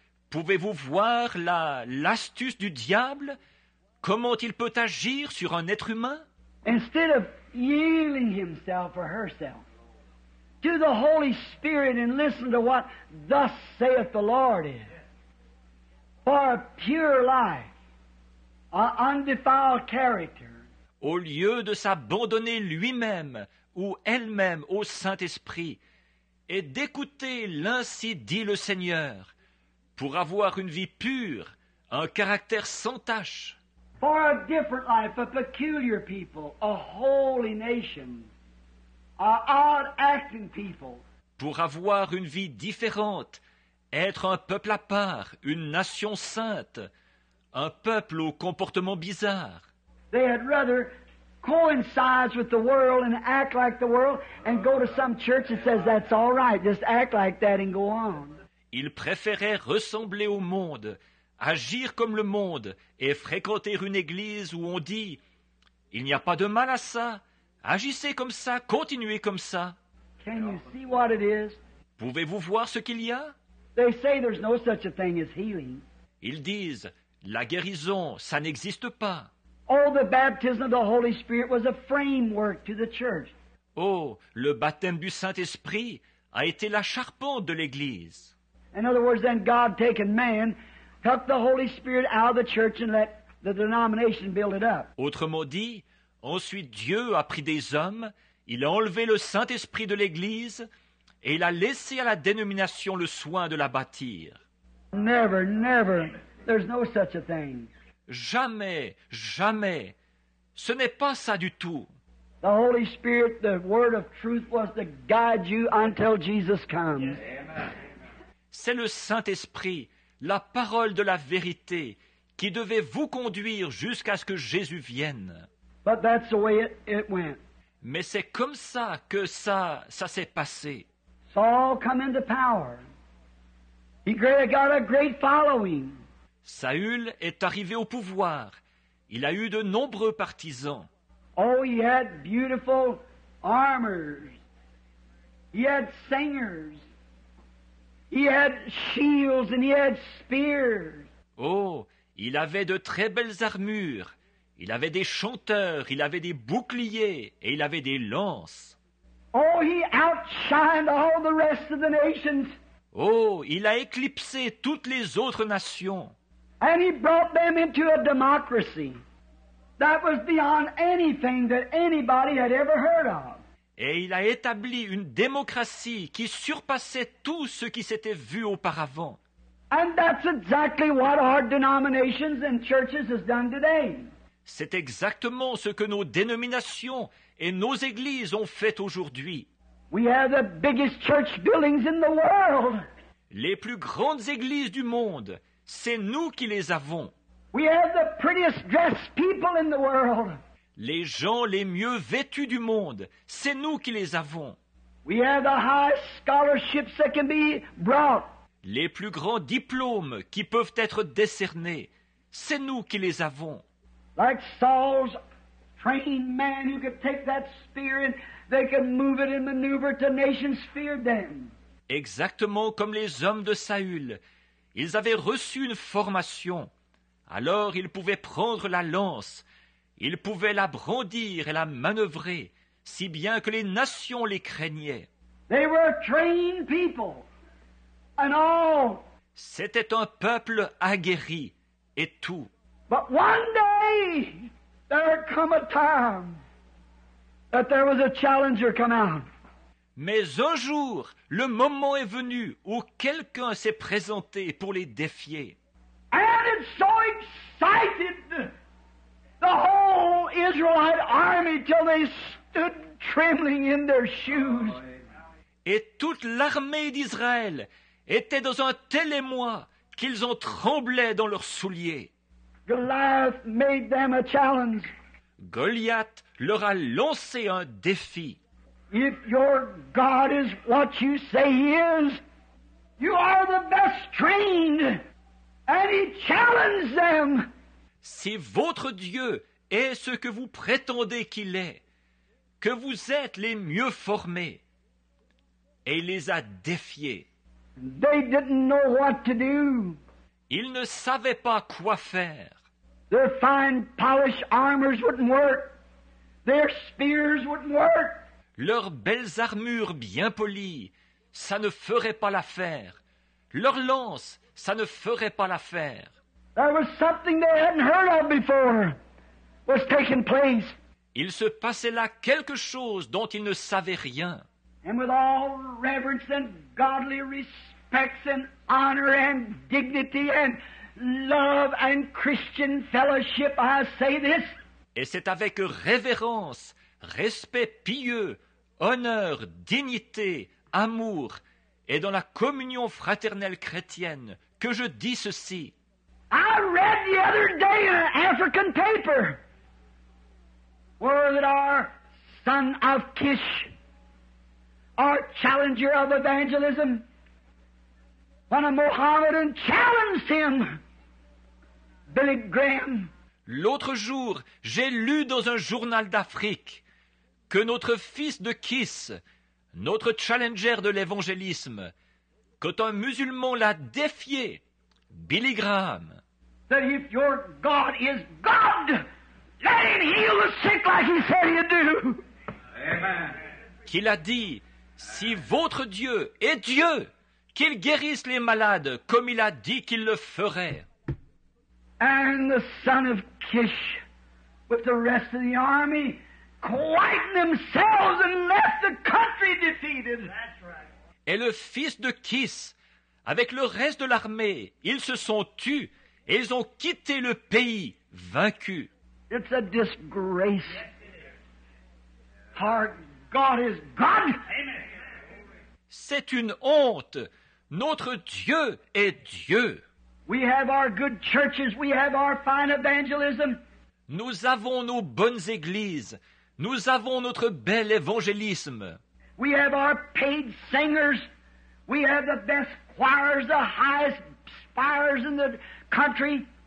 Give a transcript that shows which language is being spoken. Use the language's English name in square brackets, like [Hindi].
[French] Pouvez-vous voir l'astuce du diable? Comment il peut agir sur un être humain? [English] Instead of yielding himself or herself to the Holy Spirit and listen to what thus saith the Lord is for a pure life, an undefiled character. [French] Au lieu de s'abandonner lui-même ou elle-même au Saint-Esprit et d'écouter l'ainsi dit le Seigneur pour avoir une vie pure, un caractère sans tache. [English] For a different life, a peculiar people, a holy nation, an odd acting people. [French] Pour avoir une vie différente, être un peuple à part, une nation sainte, un peuple au comportement bizarre. [English] They had rather coincide with the world and act like the world and go to some church that says that's all right, just act like that and go on. [French] Ils préféraient ressembler au monde, agir comme le monde et fréquenter une église où on dit « Il n'y a pas de mal à ça, agissez comme ça, continuez comme ça. » [English] Can you see what it is? [French] Pouvez-vous voir ce qu'il y a? [English] They say there's no such a thing as healing. [French] Ils disent « La guérison, ça n'existe pas. » [English] Oh, the baptism of the Holy Spirit was a framework to the church. [French] Oh, le baptême du Saint-Esprit a été la charpente de l'église. [English] In other words, then God taking man took the Holy Spirit out of the church and let the denomination build it up. [French] Autrement dit, ensuite Dieu a pris des hommes, il a enlevé le Saint-Esprit de l'église et il a laissé à la dénomination le soin de la bâtir. [English] Never, never. There's no such a thing. [French] Jamais, jamais. Ce n'est pas ça du tout. [English] The Holy Spirit, the word of truth was to guide you until Jesus comes. Yeah, amen. [French] C'est le Saint-Esprit, la parole de la vérité, qui devait vous conduire jusqu'à ce que Jésus vienne. [English] But that's the way it went. [French] Mais c'est comme ça que ça s'est passé. [English] Saul come into power. He got a great following. [French] Saül est arrivé au pouvoir. Il a eu de nombreux partisans. [English] Oh, he had beautiful armors. He had singers. He had shields and he had spears. [French] Oh, il avait de très belles armures. Il avait des chanteurs, il avait des boucliers et il avait des lances. [English] Oh, he outshined all the rest of the nations. [French] Oh, il a éclipsé toutes les autres nations. [English] And he brought them into a democracy that was beyond anything that anybody had ever heard of. [French] Et il a établi une démocratie qui surpassait tout ce qui s'était vu auparavant. [English] And that's exactly what our denominations and churches has done today. [French] C'est exactement ce que nos dénominations et nos églises ont fait aujourd'hui. [English] We have the biggest church buildings in the world. [French] Les plus grandes églises du monde, C'est nous qui les avons. [English] We have the prettiest dressed people in the world. [French] Les gens les mieux vêtus du monde, c'est nous qui les avons. [English] We have the highest scholarships that can be brought. [French] Les plus grands diplômes qui peuvent être décernés, c'est nous qui les avons. [English] Like Saul's trained man who could take that spear and they could move it and maneuver to nations feared them. [French] Exactement comme les hommes de Saül. Ils avaient reçu une formation. Alors ils pouvaient prendre la lance. Ils pouvaient la brandir et la manœuvrer, si bien que les nations les craignaient. [English] They were trained people. And all. [French] C'était un peuple aguerri et tout. [English] But one day, there come a time that there was a challenger come out. [French] Mais un jour, le moment est venu où quelqu'un s'est présenté pour les défier. [English] And it so excited the whole Israelite army till they stood trembling in their shoes. [French] Et toute l'armée d'Israël était dans un tel émoi qu'ils ont tremblé dans leurs souliers. [English] Goliath made them a challenge. [French] Goliath leur a lancé un défi. [English] If your God is what you say he is, you are the best trained. And he challenged them. [French] Si votre Dieu est ce que vous prétendez qu'il est, que vous êtes les mieux formés, et il les a défiés. [English] They didn't know what to do. [French] Ils ne savaient pas quoi faire. [English] Their fine polished armors wouldn't work. Their spears wouldn't work. [French] Leurs belles armures bien polies, ça ne ferait pas l'affaire. Leurs lances, ça ne ferait pas l'affaire. [English] There was something they hadn't heard of before was taking place. [French] Il se passait là quelque chose dont ils ne savaient rien. [English] And with all reverence and godly respects and honor and dignity and love and Christian fellowship, I say this. [French] Et c'est avec révérence, respect pieux, honneur, dignité, amour, et dans la communion fraternelle chrétienne, que je dis ceci. [English] I read the other day in an African paper where our son of Kish, our challenger of evangelism, when a Mohammedan challenged him, Billy Graham. [French] L'autre jour, j'ai lu dans un journal d'Afrique que notre fils de Kiss, notre challenger de l'évangélisme, quand un musulman l'a défié, Billy Graham. [English] That if your God is God, let him heal the sick like he said he'd do. Amen. [French] Qu'il a dit, si votre Dieu est Dieu, qu'il guérisse les malades comme il a dit qu'il le ferait. [English] And the son of Kish, with the rest of the army, quieted themselves and left the country defeated. That's right. [French] Et le fils de Kiss, avec le reste de l'armée, ils se sont tus et ils ont quitté le pays vaincus. [English] It's a disgrace. Yes, it is. Our God is God. Amen. [French] C'est une honte. Notre Dieu est Dieu. [English] We have our good churches. We have our fine evangelism. [French] Nous avons nos bonnes églises. Nous avons notre bel évangélisme. [English] We have our paid singers. We have the best choirs, the highest spires in the country.